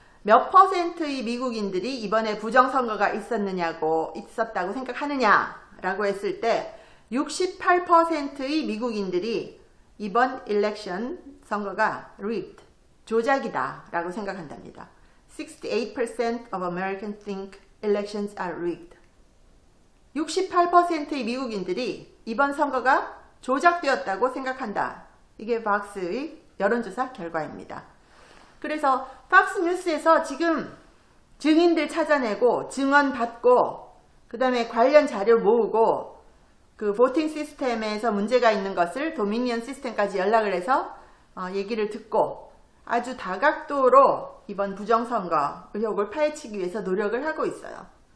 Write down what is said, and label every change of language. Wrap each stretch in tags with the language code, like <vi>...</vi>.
<ko>몇 퍼센트의 미국인들이 이번에 부정선거가 있었다고 생각하느냐 라고 했을 때 68%의 미국인들이 이번 일렉션 선거가 rigged, 조작이다 라고 생각한답니다.</ko> <en>68% of Americans think elections are rigged.</en> <ko>68%의 미국인들이 이번 선거가 조작되었다고 생각한다. 이게 박스의 여론조사 결과입니다. 그래서 박스 뉴스에서 지금 증인들 찾아내고 증언 받고 그 다음에 관련 자료 모으고 그 보팅 시스템에서 문제가 있는 것을 도미니언 시스템까지 연락을 해서 얘기를 듣고 아주 다각도로 이번 부정선거 의혹을 파헤치기 위해서 노력을 하고 있어요.</ko>